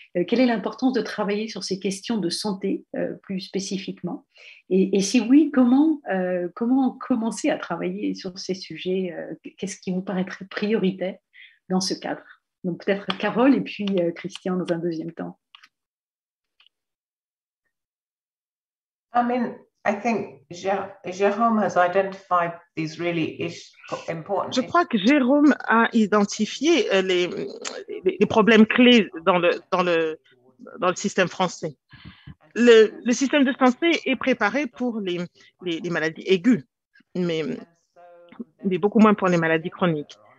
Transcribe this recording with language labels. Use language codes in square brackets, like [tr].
[fr] Quelle est l'importance de travailler sur ces questions de santé plus spécifiquement, et si oui, comment commencer à travailler sur ces sujets, qu'est-ce qui vous paraîtrait prioritaire dans ce cadre? Donc peut-être Carole et puis Christian dans un deuxième temps. Amen. [en] I think Jérôme has identified these really important. [fr] Je crois que Jérôme a identifié les problèmes clés dans le système français. Le système de santé est préparé pour les maladies aiguës, mais beaucoup moins pour les maladies chroniques.